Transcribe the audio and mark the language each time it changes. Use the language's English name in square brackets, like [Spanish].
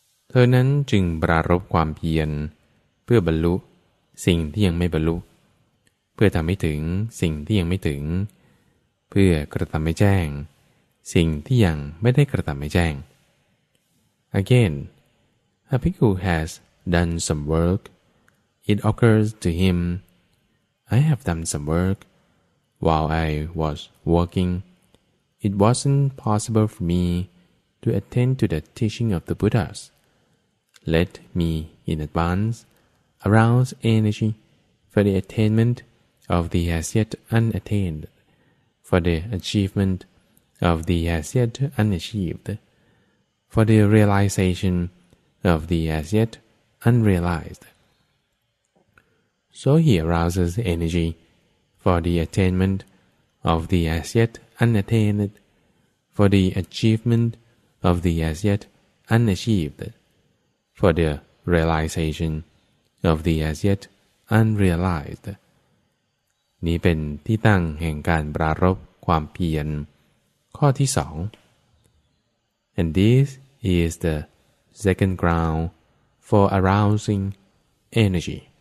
[Thai] เธอนั้นจึงปรารภความเพียรเพื่อบรรลุสิ่งที่ยังไม่บรรลุเพื่อทำให้ถึงสิ่งที่ยังไม่ถึงเพื่อกระทำให้แจ้งสิ่งที่ยังไม่ได้กระทำให้แจ้ง [English] Again, a bhikkhu has done some work. It occurs to him, I have done some work while I was working. It wasn't possible for me to attend to the teaching of the Buddhas. Let me, in advance, arouse energy for the attainment of the as yet unattained, for the achievement of the as yet unachieved, for the realization of the as yet unrealized. So he arouses energy for the attainment of the as yet unattained, for the achievement of the as yet unachieved, for the realization of the as yet unrealized. [Thai] นี้เป็นที่ตั้งแห่งการปรารภความเพียรข้อที่สอง [English] And this is the second ground for arousing energy.